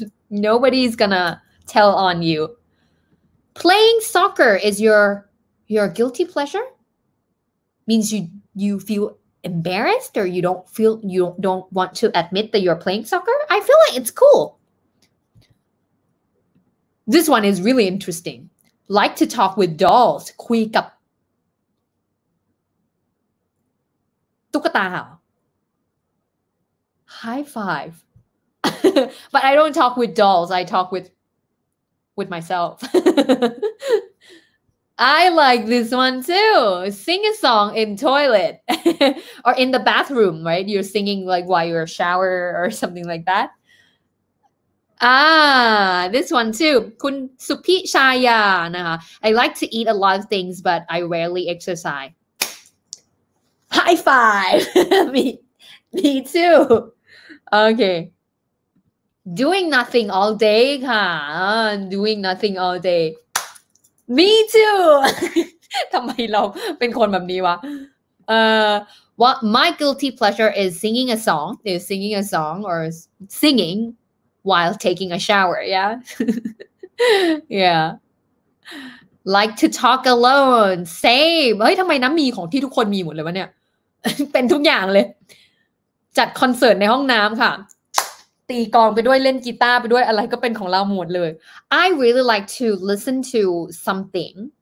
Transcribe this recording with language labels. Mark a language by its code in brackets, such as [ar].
[en] Nobody's gonna tell on you. Playing soccer is your guilty pleasure? Means you feel embarrassed or you don't want to admit that you're playing soccer? I feel like it's cool. This one is really interesting. Like to talk with dolls. [th] คุยกับตุ๊กตาเหรอ [en] High five. But I don't talk with dolls. I talk with myself. I like this one too. Sing a song in toilet. Or in the bathroom, right? You're singing like while you're shower or something like that. Ah, this one too. คุณสุพิชายานะคะ I like to eat a lot of things, but I rarely exercise. High five! me too! Okay. Doing nothing all day, ค่ะ Doing nothing all day. Me too! [th] ทำไมเราเป็นคนแบบนี้วะ [en] What my guilty pleasure is singing a song. Is singing a song or singing while taking a shower, yeah? Yeah. Like to talk alone. Same! [th] เฮ้ยทำไมน้ำมีของที่ทุกคนมีหมดเลยวะเนี่ยเป็นทุกอย่างเลยจัดคอนเสิร์ตในห้องน้ำค่ะตีกองไปด้วยเล่นกีตาร์ไปด้วยอะไรก็เป็นของเราหมดเลย [en] I really like to listen to something